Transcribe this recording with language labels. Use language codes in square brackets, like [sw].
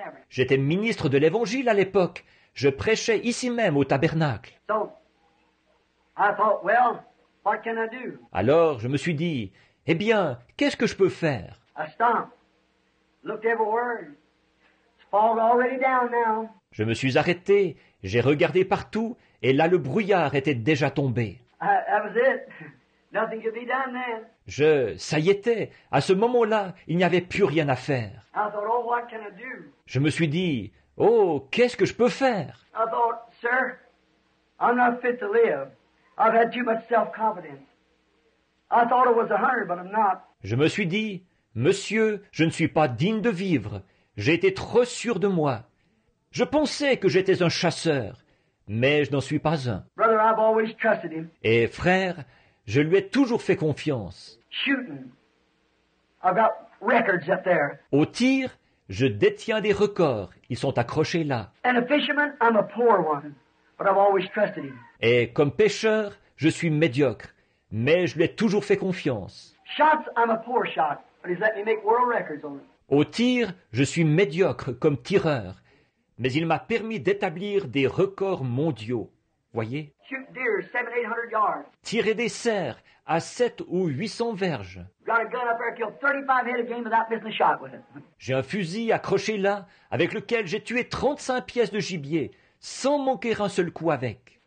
[fr] J'étais ministre de l'Évangile à l'époque. Je prêchais ici même au tabernacle. [en] So, I thought, well, what can I do? [fr] Alors, je me suis dit, eh bien, qu'est-ce que je peux faire? [en] I stopped, looked everywhere. It's fog already down now. [fr] Je me suis arrêté, j'ai regardé partout, et là, le brouillard était déjà tombé. [en] That was it. Nothing could be done then. [fr] Ça y était. À ce moment-là, il n'y avait plus rien à faire. [en] I thought, oh, what can I do? [fr] Je me suis dit, oh, qu'est-ce que je peux faire? [en] I thought, sir, I'm not fit to live. I've had too much self-confidence. I thought it was 100, but I'm not. [fr] Je me suis dit, monsieur, je ne suis pas digne de vivre. J'ai été trop sûr de moi. Je pensais que j'étais un chasseur, mais je n'en suis pas un. [en] Brother, I've always trusted him. [fr] Et frère, je lui ai toujours fait confiance. [en] Shooting. I've got records up there. [fr] Au tir, je détiens des records. Ils sont accrochés là. [en] And a fisherman, I'm a poor one, but I've always trusted him. [fr] Et comme pêcheur, je suis médiocre, mais je lui ai toujours fait confiance. [en] Shots, I'm a poor shot, but he's let me make world records on it. [fr] Au tir, je suis médiocre comme tireur, mais il m'a permis d'établir des records mondiaux. Voyez? [en] Shoot deer, 700-800 yards. [fr] Tirer des cerfs à 700 ou 800 verges. [en] Got a gun up there, killed 35 head of game without missing a shot with it. [fr] J'ai un fusil accroché là, avec lequel j'ai tué 35 pièces de gibier, sans manquer un seul coup avec.